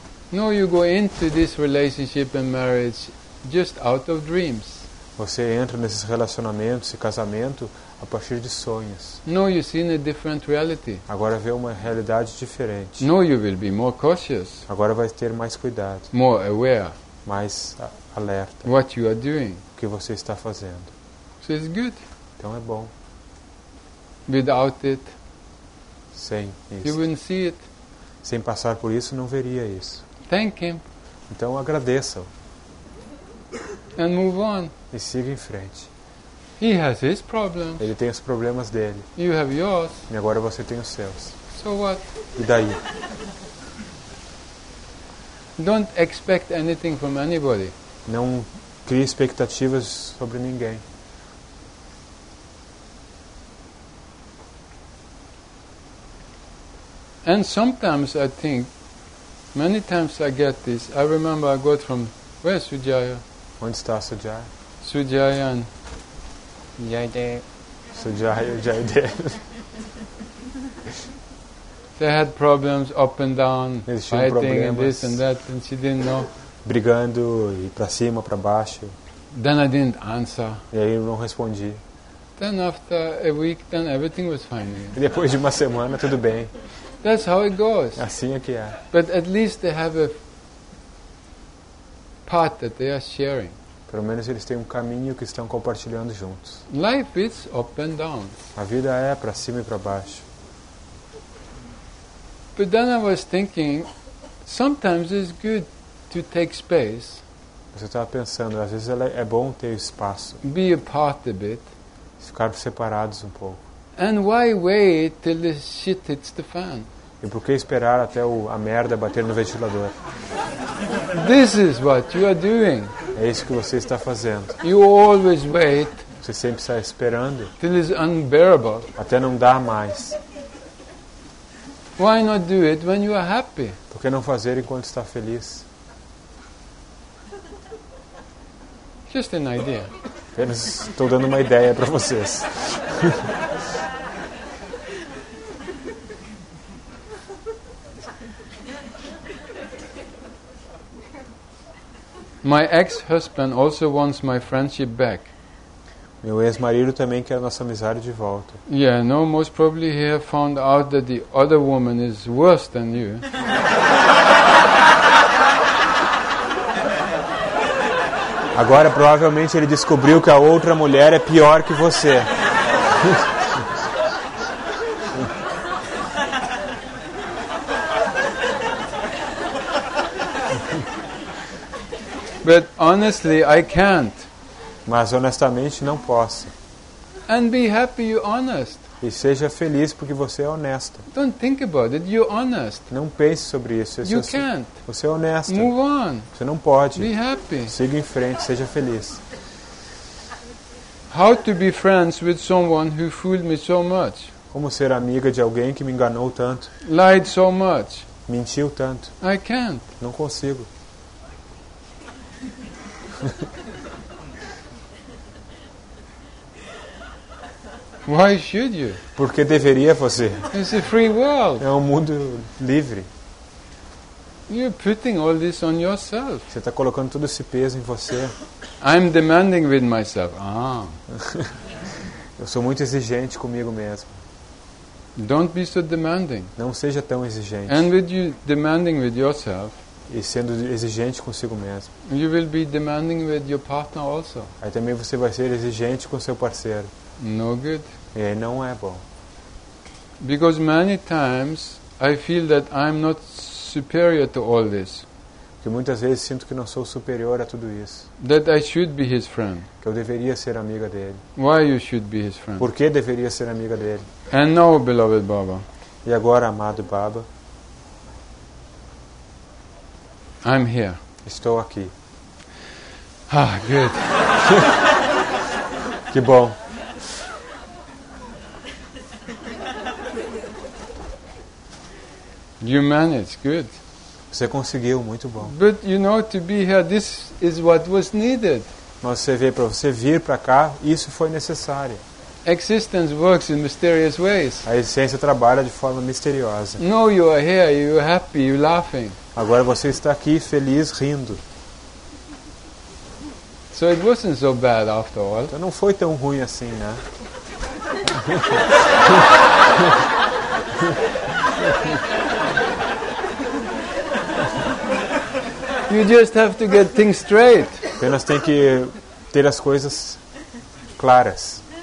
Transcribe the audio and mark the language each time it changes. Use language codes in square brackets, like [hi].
[en] No, you go into this relationship and marriage just out of dreams. [pt] Você entra nesses relacionamentos e casamento a partir de sonhos. [en] No, you see in a different reality. [pt] Agora vê uma realidade diferente. [en] No, you will be more cautious. [pt] Agora vai ter mais cuidado. [en] More aware. [pt] Mais alerta. [en] What you are doing. [pt] O que você está fazendo. [en] So it's good. [pt] Então é bom. [en] Without it. [pt] Sem isso. [en] You wouldn't see it. [pt] Sem passar por isso, não veria isso. [en] Thank him. [pt] Então agradeça-o. [en] And move on. [pt] E siga em frente. [en] He has his problems. [pt] Ele tem os problemas dele. [en] You have yours. [pt] E agora você tem os seus. [en] So what? [pt] E daí? [en] Don't expect anything from anybody. [pt] Não crie expectativas sobre ninguém. [en] And sometimes I think, many times I get this. I remember I got from where Sujaya. When starts Sujaya? Sujaya and Jayadev. Sujaya Jayadev. They had problems up and down, fighting and this and that, and she didn't know. [pt] Brigando e para cima, para baixo. [en] Then I didn't answer. [pt] E aí eu não respondi. [en] Then after a week, then everything was fine. [pt] E depois de uma semana, tudo bem. [en] That's how it goes. [pt] Assim é que é. [en] But at least they have a path that they are sharing. [pt] Pelo menos eles têm um caminho que estão compartilhando juntos. [en] Life is up and down. [pt] A vida é para cima e para baixo. [en] But then I was thinking, sometimes it's good to take space. [pt] Mas eu estava pensando, às vezes é bom ter espaço. [en] Be apart a bit. [pt] Ficar separados um pouco. [en] And why wait till the shit hits the fan? [pt] E por que esperar até a merda bater no ventilador? [en] This is what you are doing. [pt] É isso que você está fazendo. [en] You always wait. [pt] Você sempre está esperando. [en] Till it's unbearable. [pt] Até não dá mais. [en] Why not do it when you are happy? [pt] Por que não fazer enquanto está feliz? [en] Just an idea. [pt] Apenas estou dando uma ideia para vocês. [en] My ex-husband also wants my friendship back. [pt] Meu ex-marido também quer a nossa amizade de volta. [en] Yeah, no, most probably he has found out that the other woman is worse than you. [pt] Agora provavelmente ele descobriu que a outra mulher é pior que você. [en] But honestly, I can't. [pt] Mas honestamente não posso. [en] And be happy you're honest. [pt] E seja feliz porque você é honesto. [en] Don't think about it, you're honest. [pt] Não pense sobre isso. [en] You can't. [pt] Você é honesto. [en] Move on. [pt] Você não pode. [en] Be happy. [pt] Siga em frente, seja feliz. [en] How to be friends with someone who fooled me so much? [pt] Como ser amiga de alguém que me enganou tanto? [en] Lied so much. [pt] Mentiu tanto. [en] I can't. [pt] Não consigo. [en] Why should you? [pt] Porque deveria você? [en] It's a free world. [pt] É um mundo livre. [en] You're putting all this on yourself. [pt] Você está colocando todo esse peso em você. [en] I'm demanding with myself. Ah. [pt] Eu sou muito exigente comigo mesmo. [en] Don't be so demanding. [pt] Não seja tão exigente. [en] And with you demanding with yourself. [pt] E sendo exigente consigo mesmo. [en] You will be demanding with your partner also. [pt] Aí também você vai ser exigente com seu parceiro. [en] No good. [pt] E aí não é bom. [en] Because many times I feel that I'm not superior to all this. [pt] Que muitas vezes sinto que não sou superior a tudo isso. [en] That I should be his friend. [pt] Que eu deveria ser amiga dele. [en] Why you should be his friend? [pt] Por que deveria ser amiga dele? [en] And now, beloved Baba. [pt] E agora, amado Baba. [en] I'm here. [pt] Estou aqui. [en] Ah, good. [pt] Que bom. [en] You managed, good. [pt] Você conseguiu, muito bom. [en] But you know, to be here, this is what was needed. [pt] Mas você veio para você vir para cá, isso foi necessário. [en] Existence works in mysterious ways. [pt] A existência trabalha de forma misteriosa. [en] No, you are here, you are happy, you are laughing. [pt] Agora você está aqui feliz, rindo. [en] So it wasn't so bad after all. [pt] Então não foi tão ruim assim, né? [en] You just have to get things straight. [pt] Apenas tem que ter as coisas claras.